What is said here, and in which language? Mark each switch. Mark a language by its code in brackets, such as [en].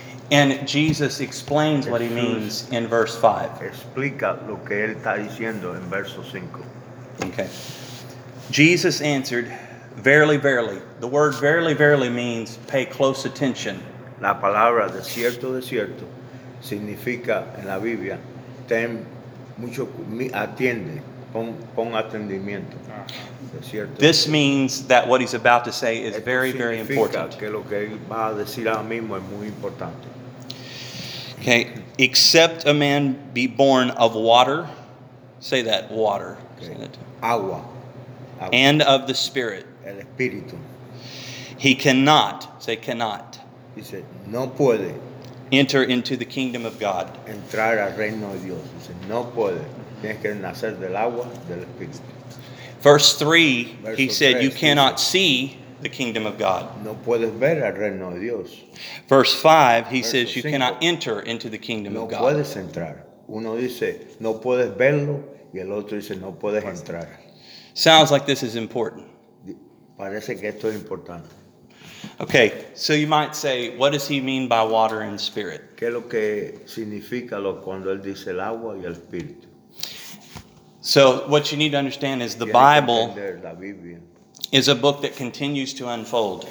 [en] And Jesus explains what he means in verse 5. [es] Explica lo que él está diciendo en verso 5. [en] Okay. Jesus answered, verily, verily. The word verily, verily means pay close attention. [es] La palabra de cierto significa en la Biblia ten mucho, atiende, pon atendimiento. [en] This means that what he's about to say is very, very important. [es] Que lo que va a decir ahora mismo es muy importante. [en] Okay, except a man be born of water, say that, water. Okay. Say that. [es] Agua. [en] And of the Spirit. [es] El Espíritu. [en] He cannot, say cannot. He said, [es] no puede. [en] Enter into the kingdom of God. [es] Entrar al reino de Dios. Dice, no puede. Tienes que nacer del agua, del Espíritu. [en] Verse 3, he said, you cannot see the kingdom of God. [es] No puedes ver al reino de Dios. [en] Verse 5, he says, you cannot enter into the kingdom of God. [es] No puedes entrar. Uno dice, no puedes verlo, y el otro dice, no puedes entrar. [en] Sounds like this is important. [es] Parece que esto es importante. [en] Okay, so you might say, what does he mean by water and spirit? [es] ¿Qué es lo que significa lo cuando él dice el agua y el espíritu? [en] So what you need to understand is the Bible is a book that continues to unfold.